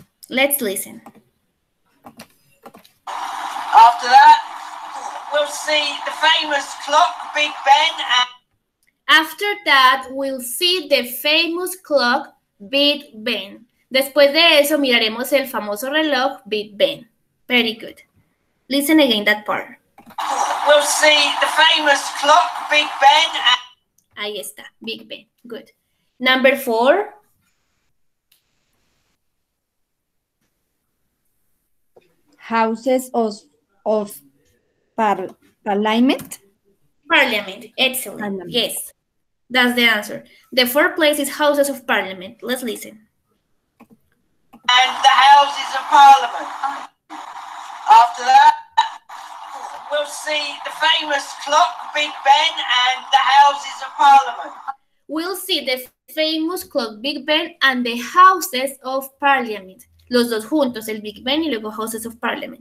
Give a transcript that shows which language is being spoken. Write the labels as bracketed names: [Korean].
[English] Let's listen. After that, we'll see the famous clock, Big Ben. After that, we'll see the famous clock, Big Ben. [Spanish] Después de eso, miraremos el famoso reloj, Big Ben. [English] Very good. Listen again that part. We'll see the famous clock, Big Ben. [Spanish] Ahí está, [English] Big Ben. Good. Number four. Houses of Parliament. Parliament. Excellent. Parliament. Yes. That's the answer. The fourth place is Houses of Parliament. Let's listen. And the Houses of Parliament. After that, we'll see the famous clock, Big Ben, and the Houses of Parliament. We'll see the famous clock, Big Ben, and the Houses of Parliament. [Spanish] los dos juntos, el Big Ben y luego Houses of Parliament.